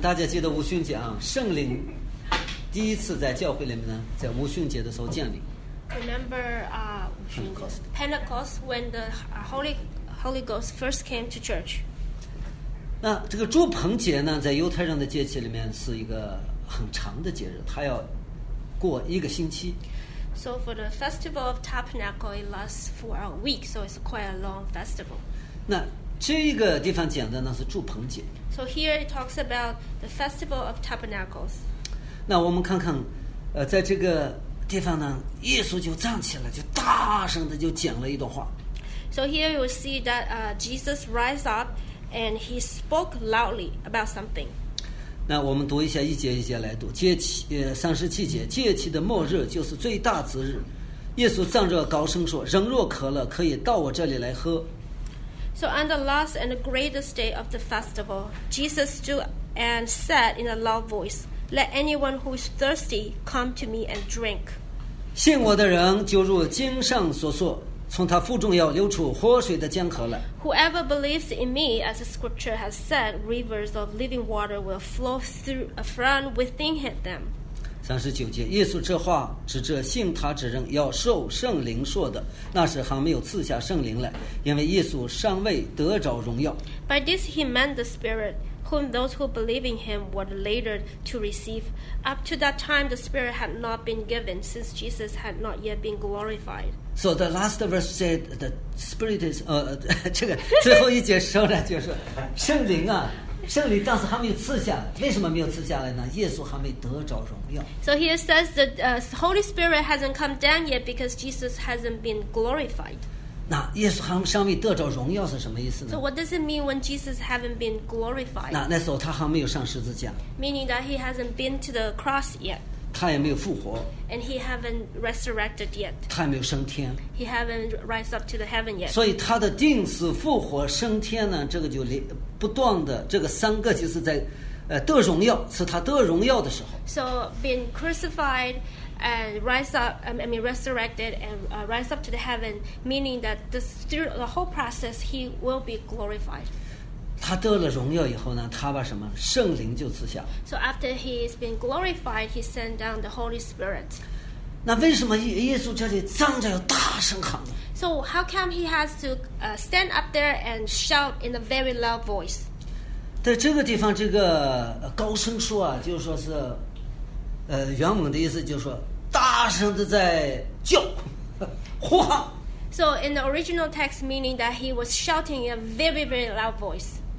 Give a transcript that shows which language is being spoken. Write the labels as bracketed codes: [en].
[zh] 大家记得五旬节啊，圣灵第一次在教会里面呢，在五旬节的时候降临。 [en] Remember, Pentecost when the Holy Ghost first came to church. [zh] 那这个祝棚节呢，在犹太人的节气里面是一个很长的节日，它要过一个星期。 [en] So for the festival of Tabernacle, it lasts for a week, so it's quite a long festival. [zh] 那这个地方讲的呢是祝棚节。 [en] So here it talks about the festival of Tabernacles. [zh] 那我们看看，在这个地方呢，耶稣就站起来，就大声的就讲了一段话。 [en] So here you see that Jesus rise up. And he spoke loudly about something. [zh] 那我们读一下，一节一节来读。三十七节，节期的末日就是最大之日。耶稣仗着高声说：“人若渴了，可以到我这里来喝。” [en] So on the last and the greatest day of the festival, Jesus stood and said in a loud voice, "Let anyone who is thirsty come to me and drink." [zh] 信我的人，就如经上所说。从他腹中要流出活水的江河来。 [en] Whoever believes in me, as the scripture has said, rivers of living water will flow through from within them. [zh] 三十九节，耶稣这话指着信他之人要受圣灵说的，那时还没有赐下圣灵来，因为耶稣尚未得着荣耀。 [en] By this he meant the Spirit, whom those who believe in him were later to receive. Up to that time, the Spirit had not been given, since Jesus had not yet been glorified. So the last verse said the spirit is [zh] 这个最后一节说呢，就是圣灵啊，圣灵当时还没有赐下，为什么没有赐下来呢？耶稣还没得着荣耀。 [en] So here says that Holy Spirit hasn't come down yet because Jesus hasn't been glorified. [zh] 那耶稣还没得着荣耀是什么意思呢 [en] ？So what does it mean when Jesus haven't been glorified? [zh] 那时候他还没有上十字架。 [en] Meaning that he hasn't been to the cross yet. [zh] 他也没有复活 [en] and he haven't resurrected yet. [zh] 他也没有升天 [en] he haven't rise up to the heaven yet. [zh] 所以他的定死复活升天呢，这个就不断的这个三个就是在得荣耀，是他得荣耀的时候。 [en] So being crucified and resurrected and rise up to the heaven, meaning that the whole process he will be glorified. [zh] 他得了荣耀以后呢，他把什么圣灵就赐下。 [en] So after he has been glorified, he sent down the Holy Spirit. [zh] 那为什么耶稣这里站着要大声喊呢 [en] ？So how come he has to stand up there and shout in a very loud voice? [zh] 在这个地方，这个高声说啊，就是说是，原文的意思就是说大声的在叫，呼喊。 [en] So in the original text, meaning that he was shouting in a very, very loud voice.